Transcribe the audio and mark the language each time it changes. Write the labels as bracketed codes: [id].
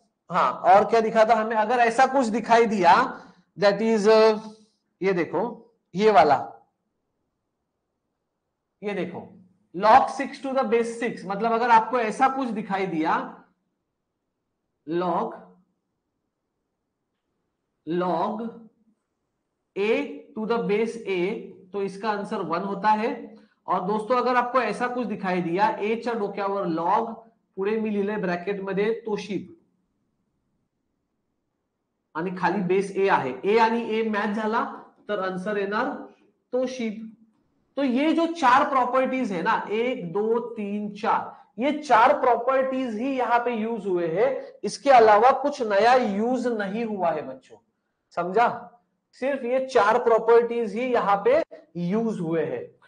[hi] हाँ और क्या दिखा था हमें, अगर ऐसा कुछ दिखाई दिया दैट इज ये देखो, ये वाला, ये देखो log 6 टू द बेस 6, मतलब अगर आपको ऐसा कुछ दिखाई दिया log log a to the base a, तो इसका आंसर 1 होता है। और दोस्तों अगर आपको ऐसा कुछ दिखाई दिया [mr] a चा डोक्यावर log पुढे मी लिहिले ब्रैकेट मध्ये तोशिब आणि खाली बेस ए आहे, ए आणि ए मॅच झाला तर आंसर येणार तोशिब। [hi] तो ये जो चार प्रॉपर्टीज है ना, एक दो तीन चार, ये चार प्रॉपर्टीज ही यहाँ पे यूज हुए हैं, इसके अलावा कुछ नया यूज नहीं हुआ है बच्चों, समझा? सिर्फ ये चार प्रॉपर्टीज ही यहाँ पे यूज हुए हैं।